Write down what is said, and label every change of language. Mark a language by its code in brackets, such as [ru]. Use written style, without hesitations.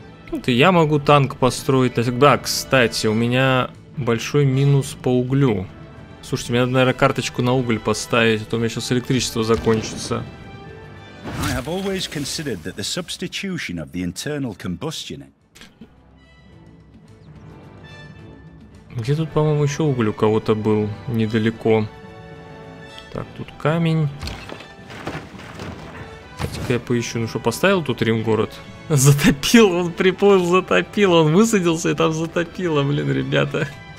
[ru] Вот и я могу танк построить. Да, кстати, у меня большой минус по углю. Слушайте, мне надо, наверное, карточку на уголь поставить, а то у меня сейчас электричество закончится. [en] I have always considered that the substitution of the internal combustion. [ru] Где тут, по-моему, еще уголь у кого-то был недалеко. Так, тут камень. Давайте-ка я поищу. Ну что, поставил тут Рим-город? Затопил, он приплыл, затопил. Он высадился и там затопило, блин, ребята.